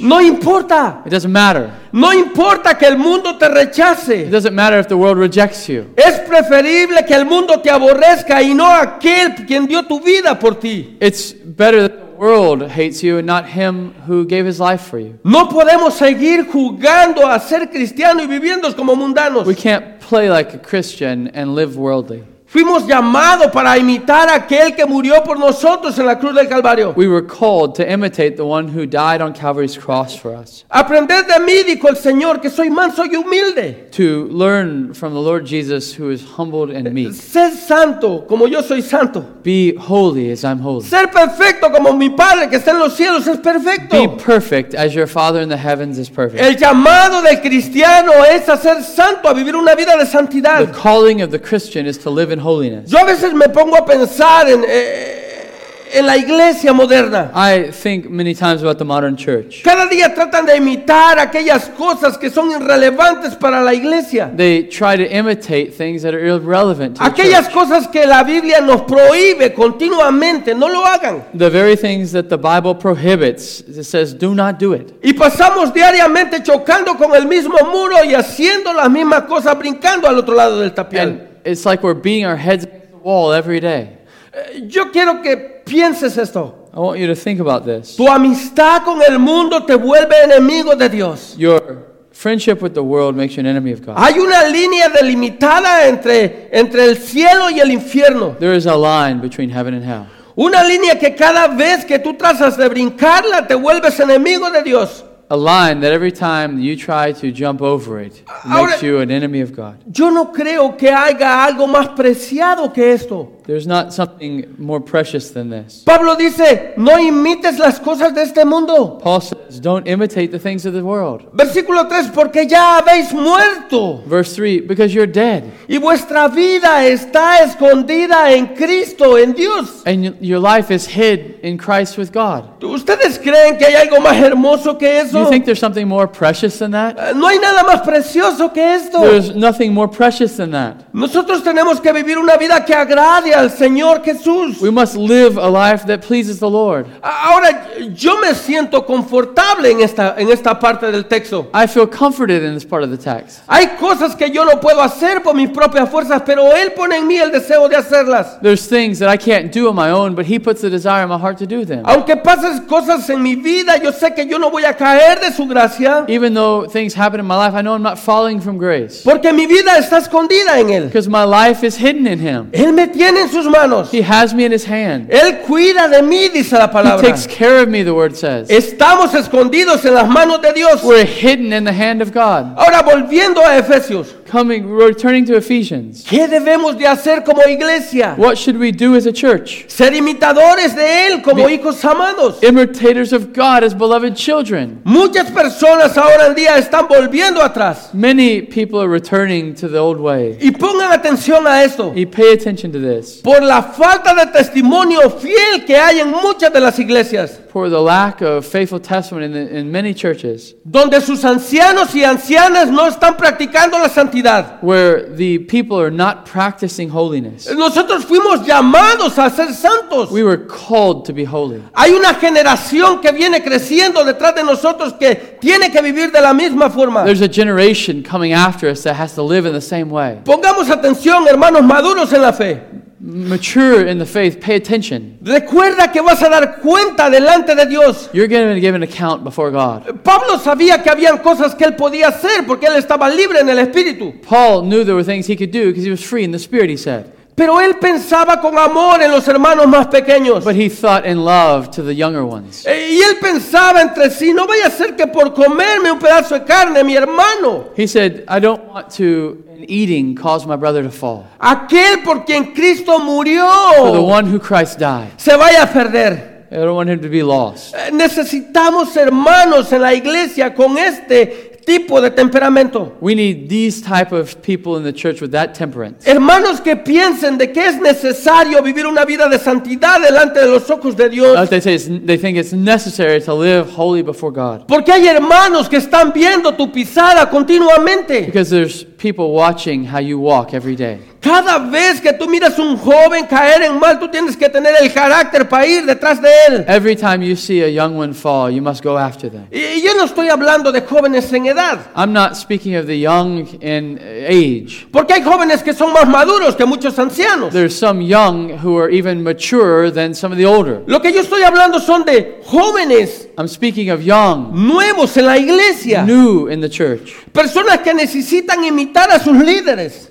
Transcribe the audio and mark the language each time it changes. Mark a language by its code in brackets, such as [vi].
[es] No importa. [en] It doesn't matter. [es] No importa que el mundo te rechace. [en] It doesn't matter if the world rejects you. [es] Es preferible que el mundo te aborrezca y no aquel quien dio tu vida por ti. [en] It's better that the world hates you and not him who gave his life for you. [es] No podemos seguir jugando a ser cristiano y viviendo como mundanos. [en] We can't play like a Christian and live worldly. [es] Fuimos llamados para imitar a aquel que murió por nosotros en la cruz del Calvario. [en] We were called to imitate the one who died on Calvary's cross for us. [es] Aprended de mí, dijo el Señor, que soy manso y humilde. [en] To learn from the Lord Jesus, who is humbled and meek. [es] Ser santo, como yo soy santo. [en] Be holy as I'm holy. [es] Ser perfecto, como mi Padre que está en los cielos es perfecto. [en] Be perfect as your Father in the heavens is perfect. [es] El llamado del cristiano es a ser santo, a vivir una vida de santidad. [en] The calling of the Christian is to live in holiness. [es] Yo a veces me pongo a pensar en la iglesia moderna. [en] I think many times about the modern church. [es] Cada día tratan de imitar aquellas cosas que son irrelevantes para la iglesia. [en] They try to imitate things that are irrelevant to the [es] aquellas [en] church. [es] Cosas que la Biblia nos prohíbe continuamente, no lo hagan. [en] The very things that the Bible prohibits, it says, do not do it. [es] Y pasamos diariamente chocando con el mismo muro y haciendo las mismas cosas, brincando al otro lado del tapial. [en] And it's like we're beating our heads against the wall every day. [es] Yo quiero que pienses esto. [en] I want you to think about this. [es] Tu amistad con el mundo te vuelve enemigo de Dios. [en] Your friendship with the world makes you an enemy of God. [es] Hay una línea delimitada entre el cielo y el infierno. [en] There is a line between heaven and hell. [es] Una línea que cada vez que tú tratas de brincarla te vuelves enemigo de Dios. [en] A line that every time you try to jump over it makes [es] Ahora, [en] you an enemy of God. [es] Yo no creo que haya algo más preciado que esto. [en] There's not something more precious than this. [es] Pablo dice, no imites las cosas de este mundo. [en] Paul says, don't imitate the things of the world. [es] Versículo 3, porque ya habéis muerto. [en] Verse 3, because you're dead. [es] Y vuestra vida está escondida en Cristo, en Dios. [en] And your life is hid in Christ with God. [es] ¿Ustedes creen que hay algo más hermoso que eso? [en] Do you think there's something more precious than that? [es] No hay nada más precioso que esto. [en] There's nothing more precious than that. [es] Nosotros tenemos que vivir una vida que agrade. Al Señor Jesús. [en] We must live a life that pleases the Lord. [es] Ahora, yo me siento confortable en esta parte del texto. [en] I feel comforted in this part of the text. [es] Hay cosas que yo no puedo hacer por mis propias fuerzas, pero Él pone en mí el deseo de hacerlas. [en] There's things that I can't do on my own, but He puts the desire in my heart to do them. [es] Aunque pasen cosas en mi vida, yo sé que yo no voy a caer de su gracia. [en] Even though things happen in my life, I know I'm not falling from grace. [es] Porque mi vida está escondida en Él. [en] Because my life is hidden in Him. [es] Él me tiene en sus manos. [en] He has me in his hand. [es] Él cuida de mí, dice la palabra. [en] He takes care of me, the word says. [es] Estamos escondidos en las manos de Dios. [en] We're hidden in the hand of God. [es] Ahora volviendo a Efesios. [en] Coming, returning to Ephesians. [es] ¿Qué debemos de hacer como iglesia? [en] What should we do as a church? [es] Ser imitadores de Él como hijos amados. [en] Imitators of God as beloved children. [es] Muchas personas ahora en día están volviendo atrás. [en] Many people are returning to the old way. [es] Y pongan atención a esto. [en] Y pay attention to this. [es] Por la falta de testimonio fiel que hay en muchas de las iglesias. [en] For the lack of faithful testimony in many churches. [es] Donde sus ancianos y ancianas no están practicando la santidad. [en] Where the people are not practicing holiness. [es] Nosotros fuimos llamados a ser santos. [en] We were called to be holy. [es] Hay una generación que viene creciendo detrás de nosotros que tiene que vivir de la misma forma. [en] There's a generation coming after us that has to live in the same way. [es] Pongamos atención, hermanos maduros en la fe. [en] Mature in the faith, pay attention. [es] Recuerda que vas a dar cuenta delante de Dios. [en] You're going to give an account before God. [es] Pablo sabía que habían cosas que él podía hacer porque él estaba libre en el espíritu. [en] Paul knew there were things he could do because he was free in the spirit, he said. [es] Pero él pensaba con amor en los hermanos más pequeños. [en] But he thought in love to the younger ones. [es] Y él pensaba entre sí, no vaya a ser que por comerme un pedazo de carne mi hermano. [en] He said, I don't want to eating caused my brother to fall. [es] Aquel por quien Cristo murió. [en] For the one who Christ died. [es] Se vaya a perder. [en] I don't want him to be lost. [es] Necesitamos hermanos en la iglesia con este tipo de temperamento. [en] We need these type of people in the church with that temperance. [es] Hermanos que piensen de que es necesario vivir una vida de santidad delante de los ojos de Dios. [en] As they say, they think it's necessary to live holy before God. [es] Porque hay hermanos que están viendo tu pisada continuamente. [en] Because there's people watching how you walk every day. [es] Cada vez que tú miras un joven caer en mal, tú tienes que tener el carácter para ir detrás de él. [en] Every time you see a young one fall, you must go after them. [es] Y yo no estoy hablando de jóvenes en edad. [en] I'm not speaking of the young in age. [es] Porque hay jóvenes que son más maduros que muchos ancianos. [en] There's some young who are even maturer than some of the older. [es] Lo que yo estoy hablando son de jóvenes. [en] I'm speaking of young. [es] Nuevos en la iglesia. [en] New in the church. [es] Personas que necesitan imitar a sus líderes.